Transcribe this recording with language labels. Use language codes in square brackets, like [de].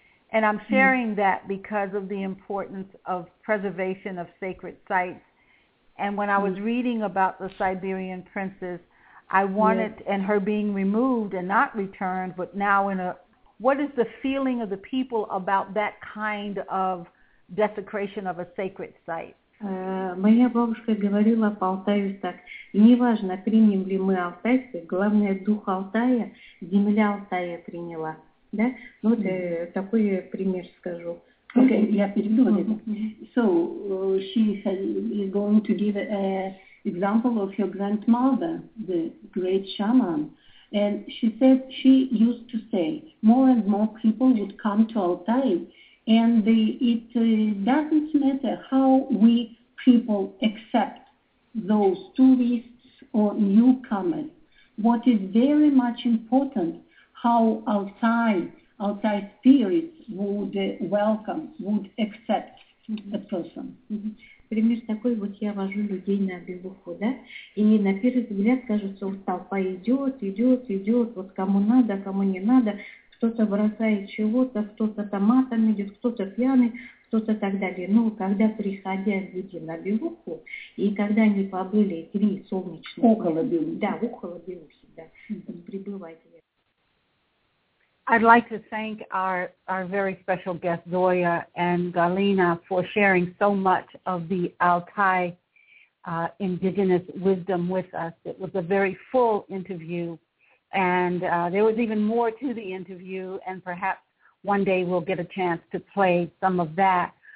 [en] And I'm sharing that because of the importance of preservation of sacred sites. And when I was reading about the Siberian princess, I wanted, and her being removed and not returned, but now in a, what is the feeling of the people about that kind of desecration of a sacred site? [ru] Моя бабушка говорила по Алтаю так, неважно, примем ли мы Алтайцы, главное, дух Алтая, земля Алтая приняла. Да? Ну, вот такой пример скажу. [en] Okay, [ru] я переведу. [en] So, she is going to give an example of her grandmother, the great shaman. And she said, she used to say, more and more people would come to Altai, and it doesn't matter how we people accept those tourists or newcomers. What is very much important, how Altai spirits would welcome, would accept a person. Mm-hmm. [ru] Пример такой, вот я вожу людей на обиуху, да, и на первый взгляд кажется, вот толпа идет, идет, идет, вот кому надо, кому не надо, кто-то бросает чего-то, кто-то там матом идет, кто-то пьяный, кто-то так далее. Но когда приходя люди на обиуху, и когда они побыли три солнечных... Около обиухи. Да, около обиухи, да, mm-hmm. прибывать. [en] I'd like to thank our very special guests, Zoya and Galina, for sharing so much of the Altai indigenous wisdom with us. It was a very full interview, and there was even more to the interview, and perhaps one day we'll get a chance to play some of that.